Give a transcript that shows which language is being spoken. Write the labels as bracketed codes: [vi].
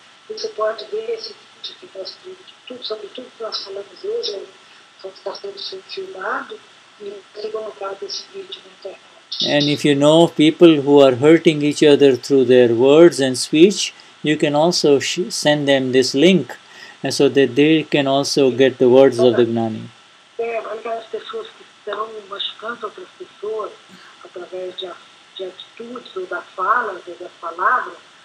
[pt] Você pode ver esse vídeo que nós tudo sobre tudo que nós falamos hoje está sendo filmado e ele colocado esse vídeo na internet. [en] And if you know people who are hurting each other through their words and speech, you can also send them this link, and so that they can also get the words of the Gnani. [pt] As pessoas que estão machucando outras pessoas através de atitudes ou da fala, ou das palavras.